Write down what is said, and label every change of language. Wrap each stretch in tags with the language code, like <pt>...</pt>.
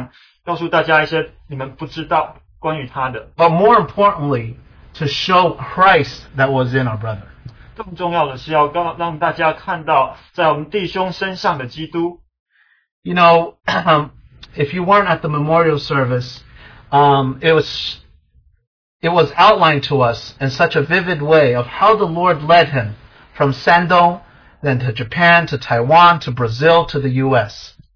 <zh>我想分享关于我们的弟兄，就是我想告诉大家一些你们不知道关于他的。</zh> <en>But more importantly, to show Christ that was in our brother.</en> <zh>更重要的是要让大家看到在我们弟兄身上的基督。</zh> <en>You know, if you weren't at the memorial service, it was outlined to us in such a vivid way of how the Lord led him from Sandong, then to Japan, to Taiwan, to Brazil, to the U.S.</en>